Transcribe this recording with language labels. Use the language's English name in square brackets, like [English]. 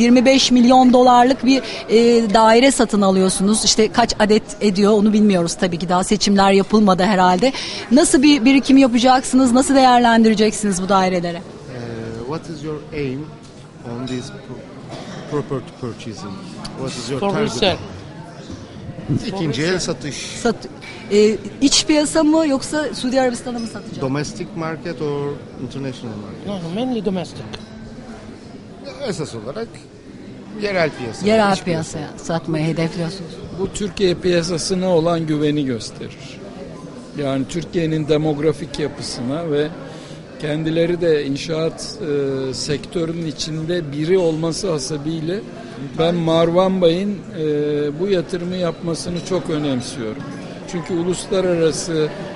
[Turkish] 25 milyon dolarlık bir daire satın alıyorsunuz. İşte kaç adet ediyor onu bilmiyoruz tabii ki. Daha seçimler yapılmadı herhalde. Nasıl bir birikim yapacaksınız? Nasıl değerlendireceksiniz bu dairelere? [English] What is your aim on this property purchasing? What is your target? [Turkish] İkinci el satış. İç piyasa mı yoksa Suudi Arabistan'a mı satacak? [English] Domestic market or international market? No, mainly domestic. [Turkish] Esas olarak yerel piyasa. Yerel piyasaya satmayı hedefliyorsunuz. Bu Türkiye piyasasına olan güveni gösterir. Yani Türkiye'nin demografik yapısına ve kendileri de inşaat sektörünün içinde biri olması hasebiyle ben Marwan Bey'in bu yatırımı yapmasını çok önemsiyorum. Çünkü uluslararası